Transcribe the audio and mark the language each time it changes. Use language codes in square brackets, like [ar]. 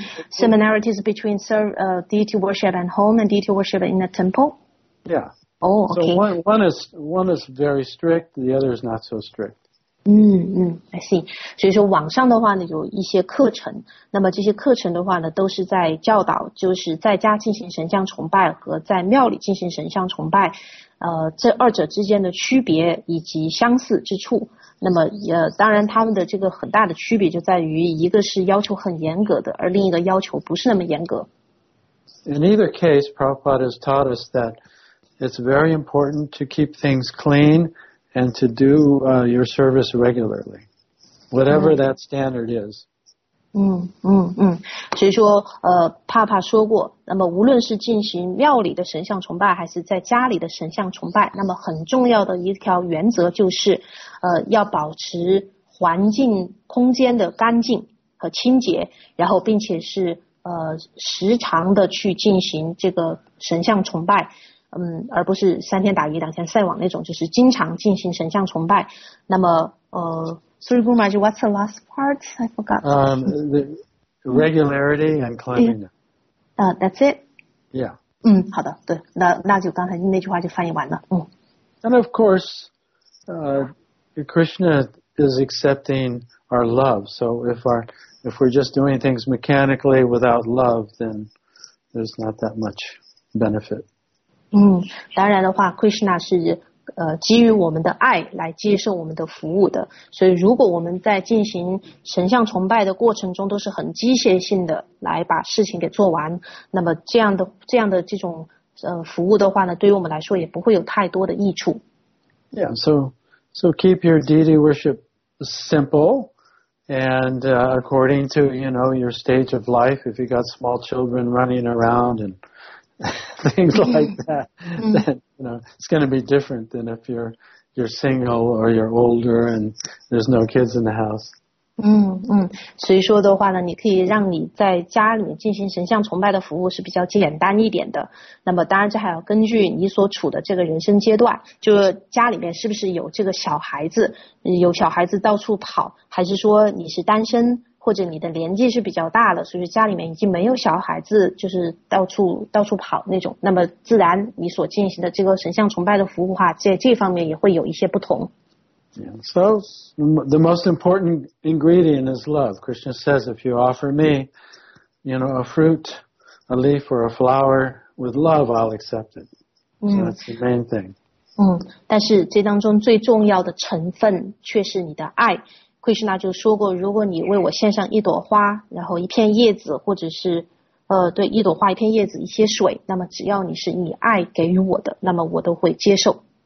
[en] Similarities between deity worship at home and deity worship in the temple? Yeah. Oh, okay. So one is very strict, the other is not so strict. 嗯嗯 ，I see。 [zh] 所以说网上的话呢，有一些课程，那么这些课程的话呢，都是在教导，就是在家进行神像崇拜和在庙里进行神像崇拜，这二者之间的区别以及相似之处。那么也当然，他们的这个很大的区别就在于，一个是要求很严格的，而另一个要求不是那么严格。 [en] In either case, Prabhupada has taught us that it's very important to keep things clean and to do your service regularly, whatever that standard is. [zh] 嗯嗯嗯，所以说，帕帕说过，那么无论是进行庙里的神像崇拜，还是在家里的神像崇拜，那么很重要的一条原则就是，要保持环境空间的干净和清洁，然后并且是时常的去进行这个神像崇拜，而不是三天打鱼两天晒网那种，就是经常进行神像崇拜。 [en] 那么Sorry, Guru Maharaj, what's the last part? I forgot. The regularity and cleanliness. That's it? Yeah. [zh] 嗯，好的，对，那就刚才那句话就翻译完了。嗯。 [en] And of course, Krishna is accepting our love. So if we're just doing things mechanically without love, then there's not that much benefit. [zh] 嗯，当然的话 ，Krishna 是。基于我们的爱来接受我们的服务的，所以如果我们在进行神像崇拜的过程中都是很机械性的来把事情给做完，那么这样的这种服务的话呢，对于我们来说也不会有太多的益处。 [en] Yeah, so keep your deity worship simple and according to you know your stage of life. If you got small children running around and things like that, then you know it's going to be different than if you're single or you're older and there's no kids in the house. [zh] 所以说的话呢，你可以让你在家里面进行神像崇拜的服务是比较简单一点的。那么当然这还要根据你所处的这个人生阶段，就家里面是不是有这个小孩子，有小孩子到处跑，还是说你是单身？或者你的年纪是比较大了，所以家里面已经没有小孩子，就是到处跑那种。那么自然你所进行的这个神像崇拜的服务的话，在这方面也会有一些不同。 [en] So the most important ingredient is love. Krishna says, if you offer me, you know, a fruit, a leaf, or a flower with love, I'll accept it. So that's the main thing. [zh] 但是这当中最重要的成分却是你的爱。奎师那就说过，如果你为我献上一朵花，然后一片叶子，或者是，对，一朵花、一片叶子、一些水，那么只要你是你爱给予我的，那么我都会接受。